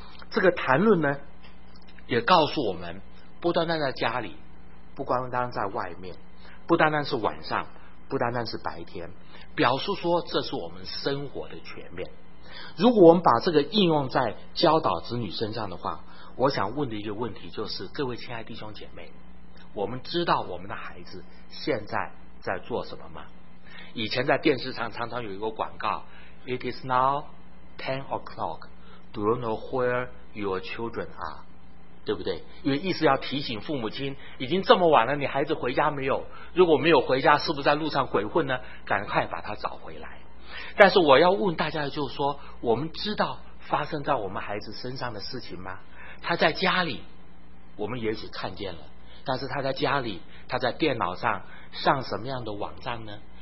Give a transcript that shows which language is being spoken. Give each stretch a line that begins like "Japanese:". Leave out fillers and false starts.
Chinese: 这个谈论呢，也告诉我们，不单单在家里，不单单在外面，不单单是晚上，不单单是白天，表述说这是我们生活的全面。如果我们把这个应用在教导子女身上的话，我想问的一个问题就是，各位亲爱弟兄姐妹，我们知道我们的孩子现在在做什么吗？以前在电视上常常有一个广告，
English: It is now 10 o'clock， Do you know where your children are？
Chinese: 对不对？因为意思要提醒父母亲，已经这么晚了，你孩子回家没有？如果没有回家，是不是在路上鬼混呢？赶快把他找回来。但是我要问大家的就是说，我们知道发生在我们孩子身上的事情吗？他在家里我们也许看见了，但是他在家里，他在电脑上上什么样的网站呢？